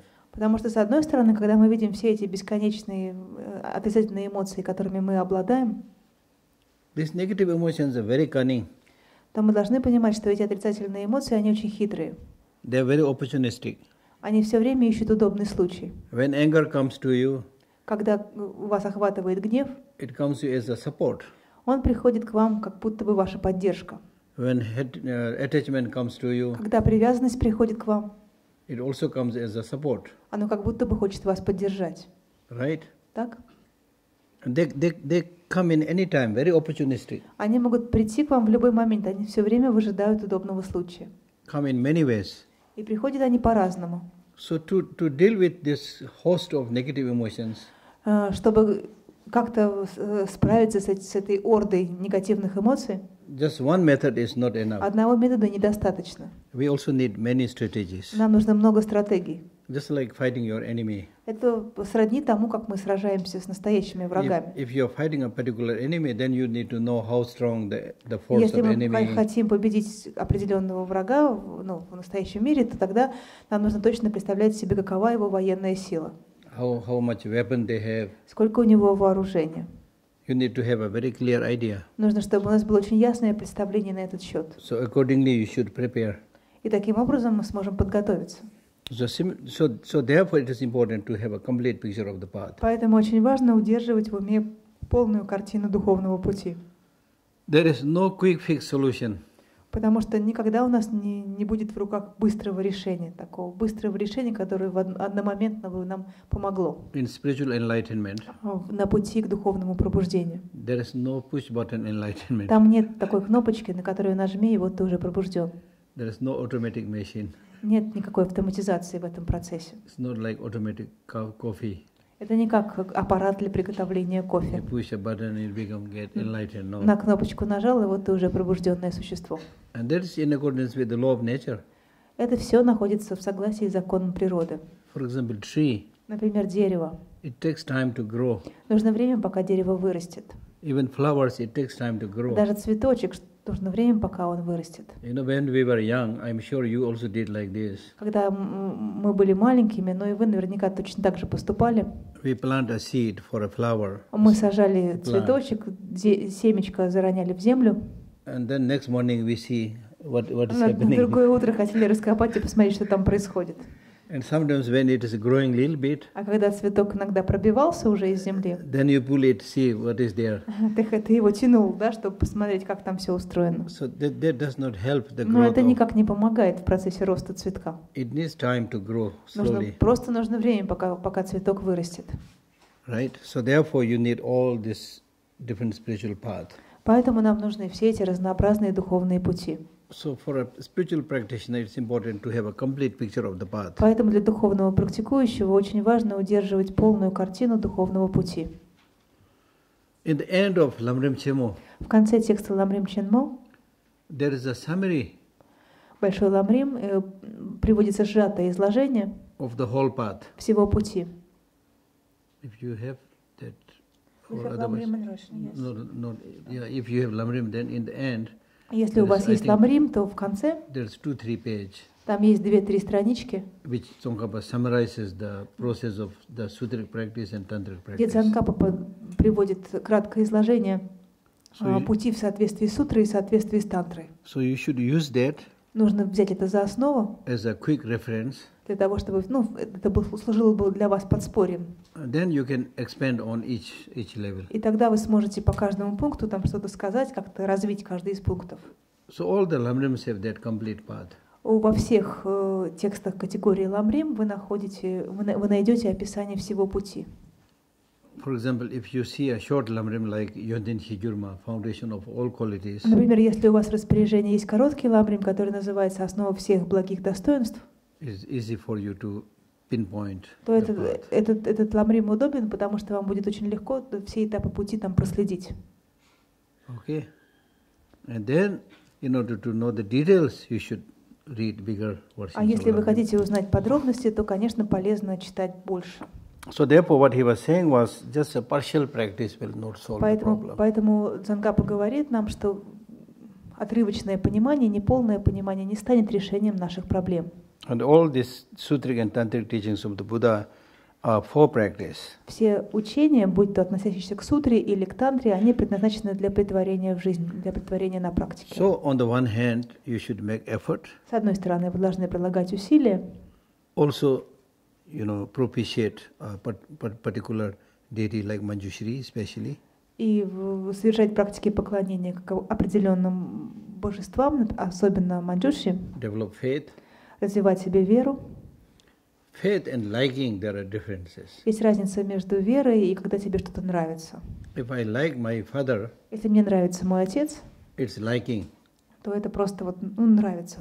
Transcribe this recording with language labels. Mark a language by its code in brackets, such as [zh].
[ru] Потому что, с одной стороны, когда мы видим все эти бесконечные отрицательные эмоции, которыми мы обладаем, [en] these negative emotions are very cunning. [ru] То мы должны понимать, что эти отрицательные эмоции, они очень хитрые. [en] They are very opportunistic. [ru] Они все время ищут удобный случай. [en] When anger comes to you, [ru] когда вас охватывает гнев, [en] it comes to you as a support. [ru] Он приходит к вам, как будто бы ваша поддержка. [en] When attachment comes to you, [ru] когда привязанность приходит к вам, [en] it also comes as a support. [ru] Оно как будто бы хочет вас поддержать. [en] Right? [ru] Так? [en] They come in any time, very opportunistic. [ru] Они могут прийти к вам в любой момент, они все время выжидают удобного случая. [en] Come in many ways. [ru] И приходят они по-разному. [en] So to deal with this host of negative emotions, [ru] чтобы как-то справиться с этой ордой негативных эмоций, [en] just one method is not enough. [ru] Одного метода недостаточно. [en] We also need many strategies. [ru] Нам нужно много стратегий. [en] Just like fighting your enemy. [ru] Это сродни тому, как мы сражаемся с настоящими врагами. [en] If you're fighting a particular enemy, then you need to know how strong the force [ru] если [en] of enemy. [ru] Если мы хотим победить определенного врага, ну, в настоящем мире, то тогда нам нужно точно представлять себе, какова его военная сила. [en] How much weapon they have. [ru] Сколько у него вооружения? [en] You need to have a very clear idea. [ru] Нужно, чтобы у нас было очень ясное представление на этот счет. [en] So accordingly you should prepare. [ru] И таким образом мы сможем подготовиться. [en] So therefore it is important to have a complete picture of the path. [ru] Поэтому очень важно удерживать в уме полную картину духовного пути. [en] There is no quick fix solution. [ru] Потому что никогда у нас не будет в руках быстрого решения, такого быстрого решения, которое одномоментно бы нам помогло. [en] In spiritual enlightenment, [ru] на пути к духовному пробуждению. [en] There is no push button enlightenment. [ru] Там нет такой кнопочки, на которую нажми, и вот ты уже пробужден. [en] There is no automatic machine. [ru] Нет никакой автоматизации в этом процессе. [en] It's not like automatic coffee. [ru] Это не как аппарат для приготовления кофе. [en] You push a button and you become get enlightened, no. [ru] На кнопочку нажал, и вот ты уже пробужденное существо. [en] And that is in accordance with the law of nature. [ru] Это все находится в согласии с законом природы. [en] For example, tree. [ru] Например, дерево. [en] It takes time to grow. [ru] Нужно время, пока дерево вырастет. [en] Even flowers, it takes time to grow. [ru] Даже цветочек, нужно время, пока он вырастет. [en] You know, when we were young, I'm sure you also did like this. [ru] Когда мы были маленькими, но и вы наверняка точно так же поступали. [en] We plant a seed for a flower. [ru] Мы сажали цветочек, семечко зароняли в землю. [en] And then next morning we see what is happening. [ru] На другое утро хотели раскопать и посмотреть, что там происходит. [en] And sometimes when it is growing a little bit, [ru] а когда цветок иногда пробивался уже из земли, [en] then you pull it, see what is there. [ru] Ты его тянул, да, чтобы посмотреть, как там все устроено. [en] So that does not help the [ru] но [en] growth. [ru] Но это никак не помогает в процессе роста цветка. [en] It needs time to grow slowly. [ru] Нужно время, пока цветок вырастет. [en] Right. So therefore, you need all this different spiritual path. [ru] Поэтому нам нужны все эти разнообразные духовные пути. [en] So for a spiritual practitioner, it's important to have a complete picture of the path. [ru] Поэтому для духовного практикующего очень важно удерживать полную картину духовного пути. [en] In the end of Lamrim Chenmo, [ru] в конце текста Ламрим Ченмо, [en] there is a summary. [ru] Большой Ламрим приводится сжатое изложение [en] of the whole path. [ru] Всего пути. [en] If you have that, or otherwise, if you have Lamrim, then in the end. [ru] Если [en] there's, [ru] у вас есть Ламрим, то в конце [en] page, [ru] там есть 2-3 странички, [en] which Tsongkhapa summarizes the process of the sutra practice and tantric practice. [ru] Где Цонгхапа приводит краткое изложение пути в соответствии с сутрой и в соответствии с тантрой. [en] So you should use that. [ru] Нужно взять это за основу [en] as a quick reference. [ru] Для того, чтобы это служило бы для вас подспорьем. [en] Then you can expand on each level. [ru] И тогда вы сможете по каждому пункту там что-то сказать, как-то развить каждый из пунктов. [en] So all the Lamrims have that complete path. [ru] Во всех текстах категории Ламрим вы найдете описание всего пути. [en] For example, if you see a short lamrim like Yodin Hijurma, foundation of all qualities. [ru] Например, если у вас в распоряжении есть короткий ламрим, который называется основа всех благих достоинств. [en] It's easy for you to pinpoint. [ru] То этот ламрим удобен, потому что вам будет очень легко все этапы пути там проследить. [en] Okay. And then, in order to know the details, you should read bigger versions. [ru] А если вы хотите узнать подробности, то, конечно, полезно читать больше. [en] So therefore, what he was saying was just a partial practice will not solve [ru] поэтому, [en] the problem. [ru] Поэтому Цзангапа говорит нам, что отрывочное понимание, неполное понимание не станет решением наших проблем. [en] And all these sutric and tantric teachings of the Buddha are for practice. [ru] Все учения, будь то относящиеся к сутре или к тантре, они предназначены для претворения в жизнь, для претворения на практике. [en] So on the one hand, you should make effort. [ru] С одной стороны, вы должны прилагать усилия. [en] Also, you know, propitiate a particular deity like Manjushri, especially. [ru] И совершать практики поклонения к определенным божествам, особенно Манджуши. [en] Develop faith. [ru] Развивать себе веру. [en] Faith and liking, there are differences. [ru] Есть разница между верой и когда тебе что-то нравится. [en] If I like my father. [ru] Если мне нравится мой отец. [en] It's liking. [ru] То это просто вот, ну, нравится